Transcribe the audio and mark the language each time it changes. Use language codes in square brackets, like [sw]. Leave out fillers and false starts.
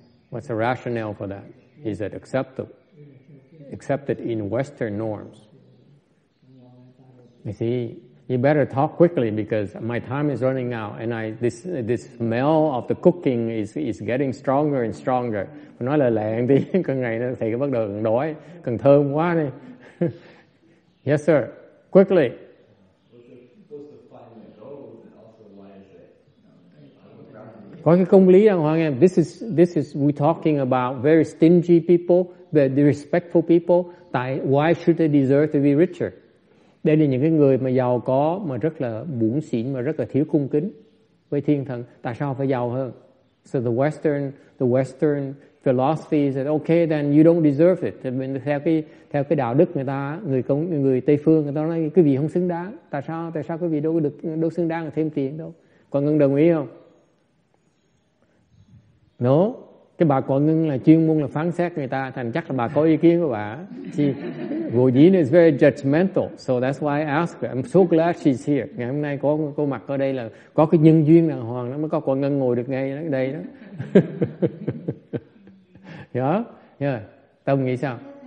[en] What's the rationale for that? Is that acceptable? Accepted in Western norms? You see, you better talk quickly because my time is running out and this smell of the cooking is getting stronger and stronger. [vi] Nói là lẹ đi, con ngày nó thầy bắt đầu càng đói, càng thơm quá đi. [en] Yes, sir. Quickly. [vi] Có cái công lý đàng hoàng em. [en] This is we talking about very stingy people, very disrespectful people. Tại why should they deserve to be richer? [vi] Đây là những cái người mà giàu có mà rất là bủn xỉn mà rất là thiếu cung kính với thiên thần. Tại sao phải giàu hơn? [en] So the Western philosophy is that okay, then you don't deserve it. [vi] Theo cái đạo đức người ta, người Tây phương người ta nói quý vị không xứng đáng. Tại sao quý vị đâu xứng đáng thêm tiền đâu? Quả Ngân đồng ý không? No. Cái bà Quả Ngân là chuyên môn là phán xét người ta, thành chắc là bà có ý kiến của bà. [en] She, Vô Dín is very judgmental, so that's why I ask her. I'm so glad she's here. [vi] Ngày hôm nay có cô mặt ở đây là có cái nhân duyên đàng hoàng, nó mới có Quả Ngân ngồi được ngay ở đây đó. Dạ, yeah. Yeah. Tâm nghĩ sao?